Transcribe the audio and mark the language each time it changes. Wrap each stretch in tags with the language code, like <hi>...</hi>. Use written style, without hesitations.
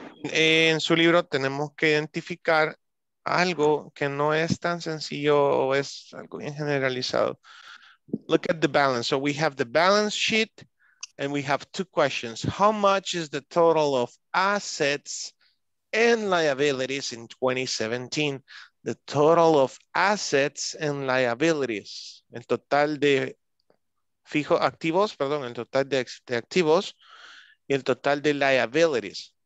<es>En su libro tenemos que identificar algo que no es tan sencillo, es algo bien generalizado.</es> <en>Look at the balance. So we have the balance sheet and we have two questions. How much is the total of assets and liabilities in 2017? The total of assets and liabilities.</en> <es>El total de fijo activos, perdón, el total de activos y el total de liabilities.</es>